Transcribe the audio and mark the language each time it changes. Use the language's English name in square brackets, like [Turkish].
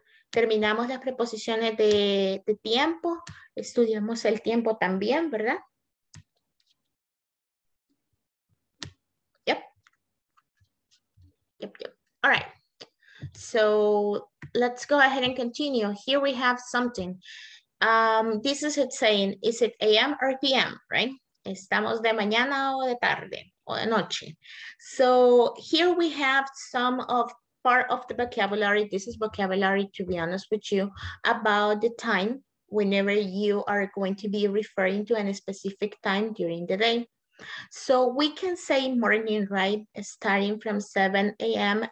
[Spanish] Terminamos las preposiciones de tiempo. Estudiamos el tiempo también, ¿verdad? [English] Yep. All right. So let's go ahead and continue. Here we have something. This is it saying, is it a.m. or p.m., right? [Spanish] Estamos de mañana o de tarde o de noche. [English] So here we have some of part of the vocabulary. This is vocabulary, to be honest with you, about the time whenever you are going to be referring to any specific time during the day. So we can say morning, right, starting from 7 a.m.